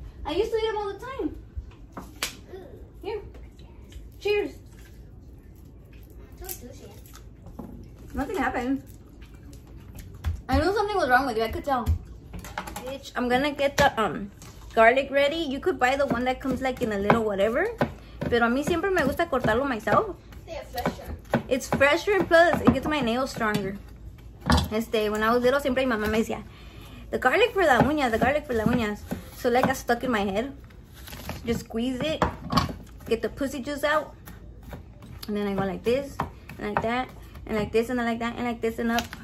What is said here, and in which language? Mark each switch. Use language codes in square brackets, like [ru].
[en] I used to eat them all the time. Here. Cheers. Nothing happened. I knew something was wrong with you. I could tell. Bitch, I'm gonna get the garlic ready. You could buy the one that comes like in a little whatever. [es] Pero a mí siempre me gusta cortarlo [en] myself. It's fresher. It's fresher, plus it gets my nails stronger. When I was little, [es] siempre mi mamá me decía, [en] the garlic for the uñas, the garlic for the uñas. So like I stuck in my head. Just squeeze it. Get the pussy juice out. And then I go like this. And like that. And like this and then like that. And like this and up.